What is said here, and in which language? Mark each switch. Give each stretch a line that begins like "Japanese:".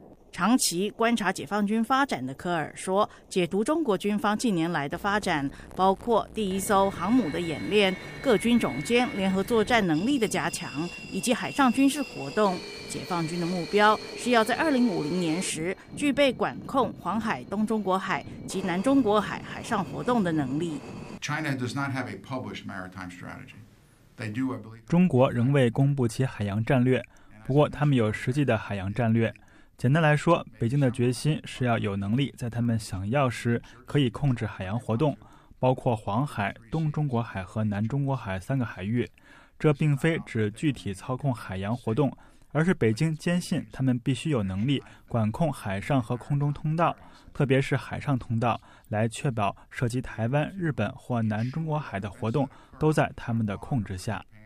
Chinese: 长期观察解放军发展的科尔说，解读中国军方近年来的发展，包括第一艘航母的演练、各军种间联合作战能力的加强以及海上军事活动，解放军的目标是要在2050年时具备管控黄海、东中国海及南中国海海上活动的能力。
English: China does not have a published maritime strategy. They do, I believe.
Chinese: 中国仍未公布其海洋战略，不过他们有实际的海洋战略。简单来说，北京的决心是要有能力在他们想要时可以控制海洋活动，包括黄海、东中国海和南中国海三个海域。这并非指具体操控海洋活动，而是北京坚信他们必须有能力管控海上和空中通道，特别是海上通道，来确保涉及台湾、日本或南中国海的活动都在他们的控制下。